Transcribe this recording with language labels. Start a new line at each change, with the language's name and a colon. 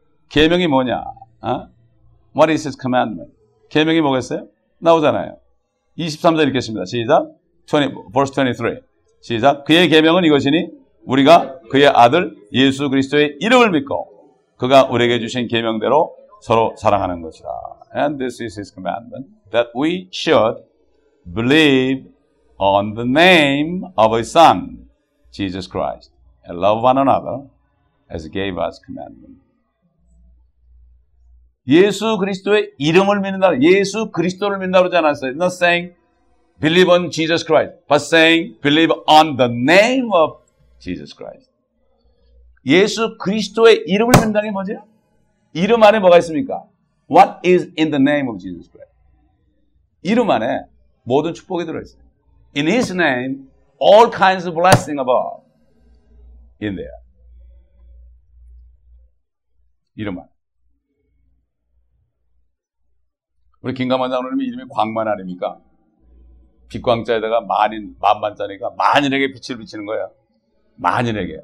Korean: 계명이 뭐냐? 어?
English: What is his commandment?
Korean: 계명이 뭐겠어요? 나오잖아요. 23절 읽겠습니다. 시작. 23. 시작. 그의 계명은 이것이니 우리가 그의 아들 예수 그리스도의 이름을 믿고 그가 우리에게 주신 계명대로 서로 사랑하는 것이라.
English: And this is his commandment that we should believe on the name of his son, Jesus Christ, and love one another as he gave us commandment.
Korean: 예수 그리스도의 이름을 믿는다. 예수 그리스도를 믿는다 그러지 않았어요.
English: Not saying believe on Jesus Christ, but saying believe on the name of Jesus Christ.
Korean: 예수 그리스도의 이름을 믿는다는 게 뭐지? 이름 안에 뭐가 있습니까?
English: What is in the name of Jesus Christ?
Korean: 이름 안에 모든 축복이 들어있어요.
English: In His name, all kinds of blessing above. In there.
Korean: 이름 안에. 우리 김감원장님이 이름이 광만 아닙니까? 빛광자에다가 만인, 만만자니까 만인에게 빛을 비치는 거야. 만인에게.